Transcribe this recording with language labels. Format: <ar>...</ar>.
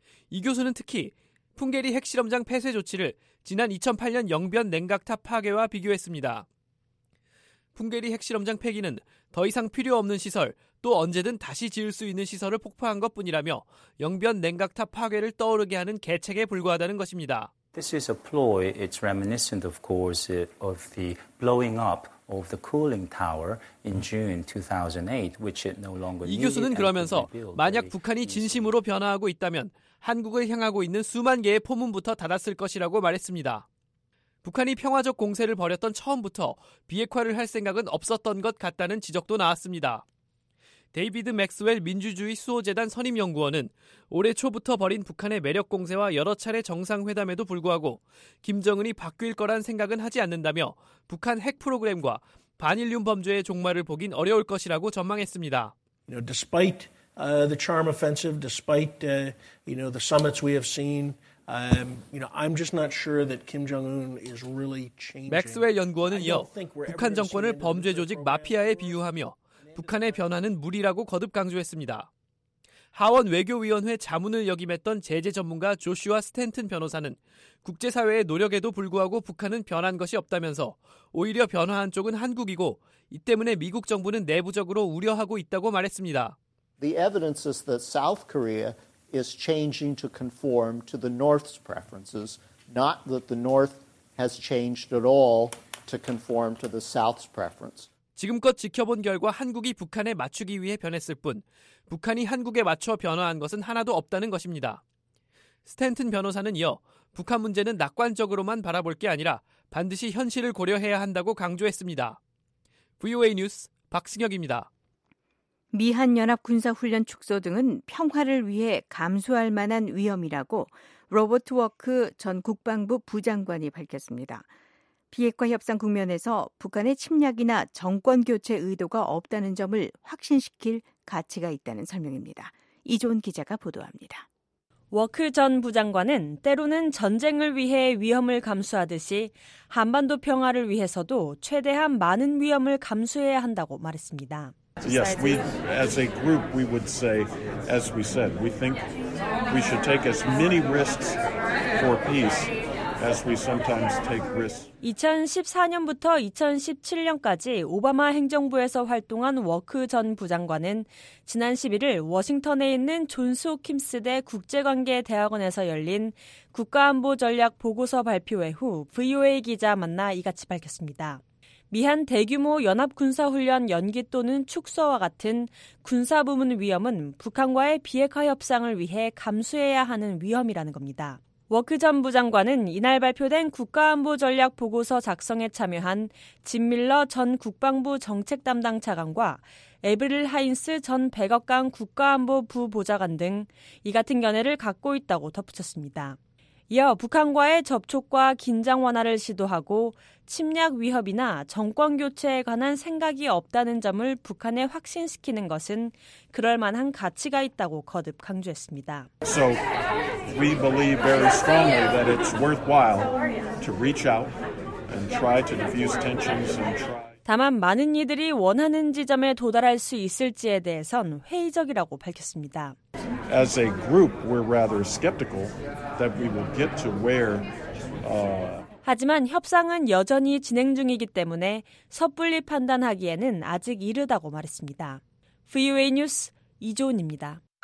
<ko>이 교수는 특히 풍계리 핵실험장 폐쇄 조치를 지난 2008년 영변 냉각탑 파괴와 비교했습니다. 풍계리 핵실험장 폐기는 더 이상 필요 없는 시설 또 언제든 다시 지을 수 있는 시설을 폭파한 것뿐이라며 영변 냉각탑 파괴를 떠오르게 하는 계책에 불과하다는 것입니다.</ko> <en>This is a ploy. It's reminiscent, of course, of the blowing up of the cooling tower in June 2008, which it no longer needed.</en> <ko>이 교수는 그러면서 만약 북한이 진심으로 변화하고 있다면 한국을 향하고 있는 수만 개의 포문부터 닫았을 것이라고 말했습니다. 북한이 평화적 공세를 벌였던 처음부터 비핵화를 할 생각은 없었던 것 같다는 지적도 나왔습니다. 데이비드 맥스웰 민주주의 수호재단 선임연구원은 올해 초부터 벌인 북한의 매력 공세와 여러 차례 정상회담에도 불구하고 김정은이 바뀔 거란 생각은 하지 않는다며 북한 핵 프로그램과 반인륜 범죄의 종말을 보긴 어려울 것이라고 전망했습니다.</ko> <en>Despite the charm offensive, despite the summits we have seen, I'm just not sure that Kim Jong-un is really changing.</en> <ko>맥스웰 연구원은 이어 북한 정권을 범죄 조직 마피아에 비유하며 북한의 변화는 무리라고 거듭 강조했습니다. 하원 외교위원회 자문을 역임했던 제재 전문가 조슈아 스탠튼 변호사는 국제사회의 노력에도 불구하고 북한은 변한 것이 없다면서 오히려 변화한 쪽은 한국이고 이 때문에 미국 정부는 내부적으로 우려하고 있다고 말했습니다.</ko> <en>The evidence is that South Korea is changing to conform to the North's preferences, not that the North has changed at all to conform to the South's preference.</en> <ko>지금껏 지켜본 결과 한국이 북한에 맞추기 위해 변했을 뿐 북한이 한국에 맞춰 변화한 것은 하나도 없다는 것입니다. 스탠튼 변호사는 이어 북한 문제는 낙관적으로만 바라볼 게 아니라 반드시 현실을 고려해야 한다고 강조했습니다. VOA 뉴스 박승혁입니다. 미한연합군사훈련 축소 등은 평화를 위해 감수할 만한 위험이라고 로버트 워크 전 국방부 부장관이 밝혔습니다. 비핵화 협상 국면에서 북한의 침략이나 정권 교체 의도가 없다는 점을 확신시킬 가치가 있다는 설명입니다. 이조은 기자가 보도합니다. 워크 전 부장관은 때로는 전쟁을 위해 위험을 감수하듯이 한반도 평화를 위해서도 최대한 많은 위험을 감수해야 한다고 말했습니다.</ko> <en>Yes, we as a group we would say as we said, we think we should take as many risks for peace as we sometimes take risks.</en> <ko>2014년부터 2017년까지 오바마 행정부에서 활동한 워크 전 부장관은 지난 11일 워싱턴에 있는 존스 호킴스 대 국제관계대학원에서 열린 국가안보전략보고서 발표회 후 VOA 기자 만나 이같이 밝혔습니다. 미한 대규모 연합군사훈련 연기 또는 축소와 같은 군사 부문 위험은 북한과의 비핵화 협상을 위해 감수해야 하는 위험이라는 겁니다. 워크 전 부장관은 이날 발표된 국가안보전략보고서 작성에 참여한 짐 밀러 전 국방부 정책담당 차관과 에브릴 하인스 전 백악관 국가안보부 보좌관 등 이 같은 견해를 갖고 있다고 덧붙였습니다. 이어 북한과의 접촉과 긴장 완화를 시도하고 침략 위협이나 정권 교체에 관한 생각이 없다는 점을 북한에 확신시키는 것은 그럴 만한 가치가 있다고 거듭 강조했습니다.</ko> <en>So we believe very strongly that it's worthwhile to reach out and try to diffuse tensions and try.</en> <ko>다만 많은 이들이 원하는 지점에 도달할 수 있을지에 대해선 회의적이라고 밝혔습니다.</ko> <en>As a group, we're rather skeptical that we will get to where.</en> <ko>하지만 협상은 여전히 진행 중이기 때문에 섣불리 판단하기에는 아직 이르다고 말했습니다. VOA 뉴스 이조은입니다.</ko>